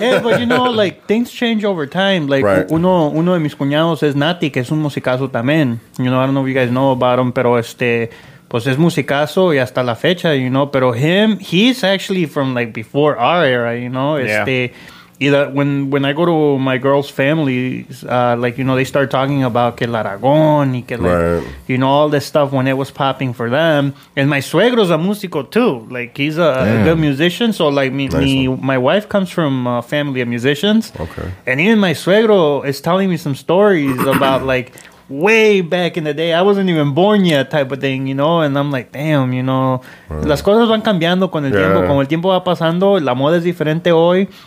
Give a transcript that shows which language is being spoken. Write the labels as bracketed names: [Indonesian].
[English] Yeah, but you know, like, things change over time. Like, right. [Spanish] uno de mis cuñados es Nati, que es un musicazo también. [English] You know, I don't know if you guys know about him, [Spanish] pero pues es musicazo y hasta la fecha, [English] you know. Pero him, he's actually from, like, before our era, you know. Yeah. Either when I go to my girl's family, like, you know, they start talking about [Spanish] que el Aragón y que, [English] like, right. you know, all this stuff when it was popping for them. And my suegro's a músico, too. Like, he's a good musician. So, like, my wife comes from a family of musicians. Okay. And even my suegro is telling me some stories about, like, way back in the day. I wasn't even born yet type of thing, you know. And I'm like, damn, you know. Right. [Spanish] Las cosas van cambiando con el tiempo. Como el tiempo va pasando, la moda es diferente hoy.